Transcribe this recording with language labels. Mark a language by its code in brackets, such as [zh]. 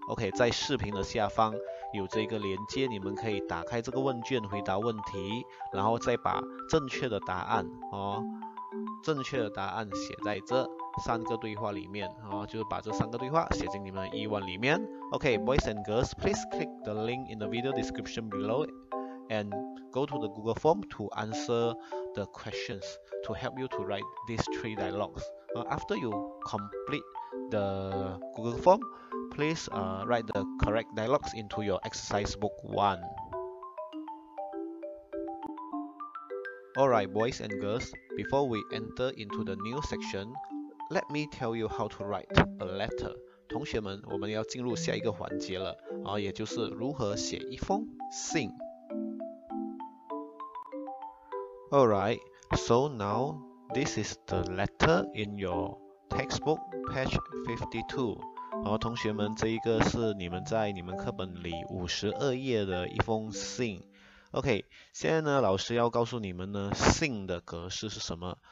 [zh] OK， 在视频的下方有这个连接，你们可以打开这个问卷回答问题，然后再把正确的答案写在这三个对话里面就是把这三个对话写进你们的E1里面。 [en] OK, boys and girls, please click the link in the video description below and go to the Google form to answer the questions to help you to write these three dialogues. After you complete the Google form, please write the correct dialogues into your exercise book 1. Alright, boys and girls, before we enter into the new section,Let me tell you how to write a letter. [zh] 同学们，我们要进入下一个环节了，也就是如何写一封信。 [en] Alright, so now this is the letter in your textbook, page 52. [zh] 同学们，这一个是你们在你们课本里52页的一封信。 OK, 现在呢，老师要告诉你们呢，信的格式是什么。